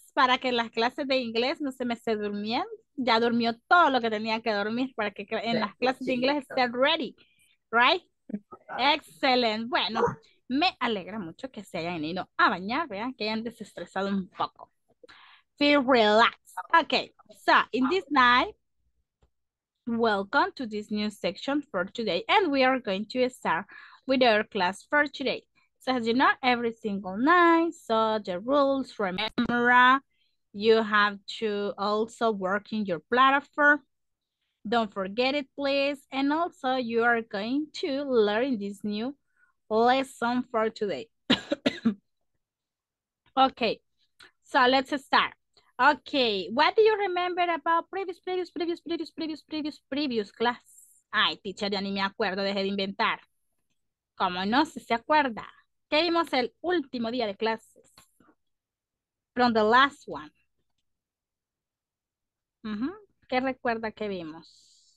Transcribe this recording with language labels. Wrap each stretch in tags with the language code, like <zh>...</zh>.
<es>Para que las clases de inglés no se me esté durmiendo. Ya durmió todo lo que tenía que dormir para que en las clases de inglés Chiquito. esté</es> <en>ready. Right?</en> <es>Excelente. Bueno, me alegra mucho que se hayan ido a bañar, vean, que hayan desestresado un poco.</es> <en>Feel relaxed. Okay, so in this night, welcome to this new section for today, and we are going to start with our class for today. So as you know, every single night, so the rules, remember, you have to also work in your platform. Don't forget it, please. And also, you are going to learn this new lesson for today. Okay, so let's start. Okay, what do you remember about previous class?</en> <es>Ay, teacher, ya ni me acuerdo, dejé de inventar. ¿Cómo no? Si se acuerda. ¿Qué vimos el último día de clases?</es> <en>From the last one.</en> <es>¿Qué recuerda que vimos?</es>